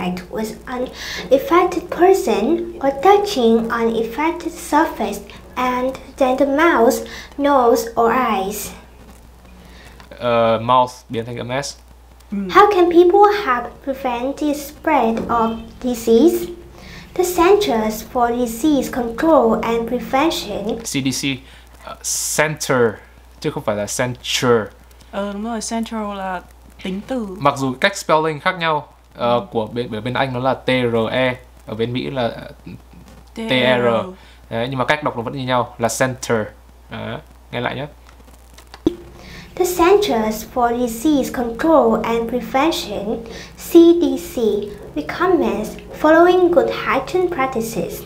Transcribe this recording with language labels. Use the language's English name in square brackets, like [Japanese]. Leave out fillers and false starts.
[English] With an infected person or touching an infected surface and then the mouth, nose or eyes. [Vietnamese] Mouth biến thành âm S. [English] How can people help prevent the spread of disease? The Centers for Disease Control and Prevention [Vietnamese] CDC Center chứ không phải là Center. Ờ đúng rồi, Center là tính từ. Mặc dù cách spelling khác nhau của bên Anh nó là T-R-E, ở bên Mỹ là T-R. Đấy, nhưng mà cách đọc nó vẫn như nhau là Center. Đấy, nghe lại nhé. [English] The Centers for Disease Control and Prevention, CDC, recommends following good hygiene practices.